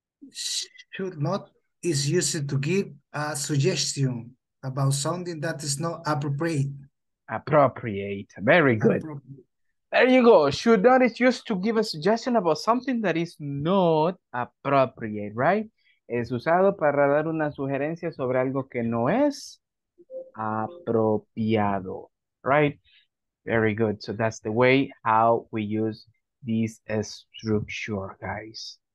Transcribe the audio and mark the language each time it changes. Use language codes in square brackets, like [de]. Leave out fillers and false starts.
[en] Should not is used to give a suggestion about something that is not appropriate. Appropriate. Very good. There you go. Should not is used to give a suggestion about something that is not appropriate, right? [es] Es usado para dar una sugerencia sobre algo que no es apropiado, right? [en] Very good. So that's the way how we use this structure, guys.